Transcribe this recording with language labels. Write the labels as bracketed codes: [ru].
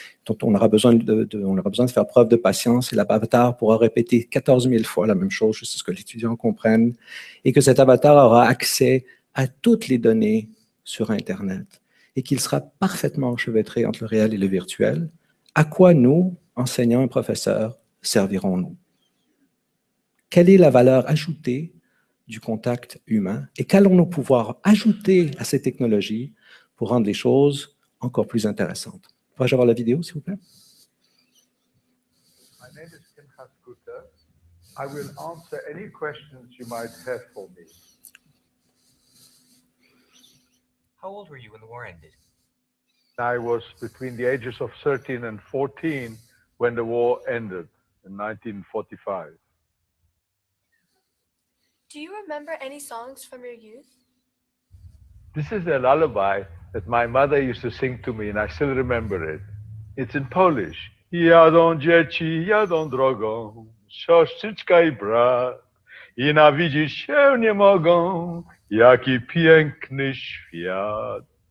[fr] dont on aura besoin de faire preuve de patience, et l'avatar pourra répéter 14 000 fois la même chose jusqu'à ce que l'étudiant comprenne, et que cet avatar aura accès à toutes les données sur Internet, et qu'il sera parfaitement enchevêtré entre le réel et le virtuel, à quoi nous, enseignants et professeurs, servirons-nous? Quelle est la valeur ajoutée du contact humain et qu'allons-nous pouvoir ajouter à ces technologies pour rendre les choses encore plus intéressantes? Pourrais-je avoir la vidéo, s'il vous plaît? [en] My name is Kim Haskuta. I will answer any questions you might have for me. How old were you when the war ended? I was between the ages of 13 and 14 when the war ended in 1945. Do you remember any songs from your youth? This is a lullaby that my mother used to sing to me, and I still remember it. It's in Polish. [pl] Jadą dzieci, jadą drogą, siostrzyczka i brat, i nawidzić się nie mogą, jaki piękny świat.